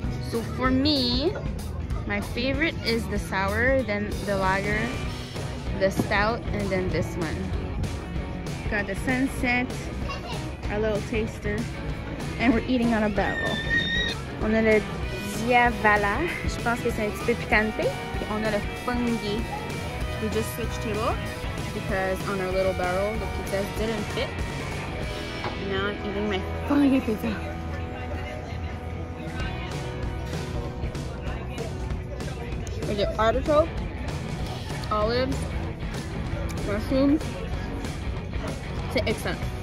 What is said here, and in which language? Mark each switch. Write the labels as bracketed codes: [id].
[en] So for me, my favorite is the sour, then the lager, the stout, and then this one. Got the sunset, our little taster, and we're eating on a barrel. [fr] On a le diavala, je pense que c'est un petit peu piquante. On a le fungi. [en] We just switched table because on our little barrel, the pizza didn't fit. Now I'm eating my fungi pizza. We get artichoke, olives, mushrooms. [fr] C'est excellent.